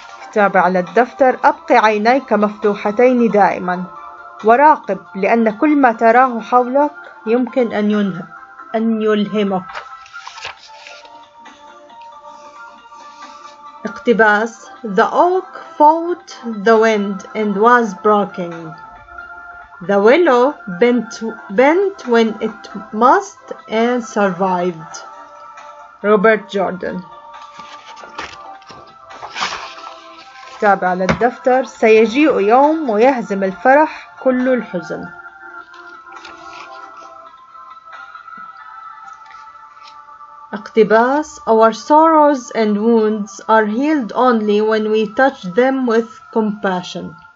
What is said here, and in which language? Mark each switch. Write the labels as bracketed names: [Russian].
[Arabic] كتاب على الدفتر: أبقي عينيك مفتوحتين دائما وراقب، لأن كل ما تراه حولك يمكن أن يلهمك. اقتباس: [English] The oak fought the wind and was broken. The willow bent when it must and survived. [Arabic] روبرت جوردن. كتاب على الدفتر: سيجيء يوم ويهزم الفرح كل الحزن. اقتباس: [English] Our sorrows and wounds are healed only when we touch them with compassion.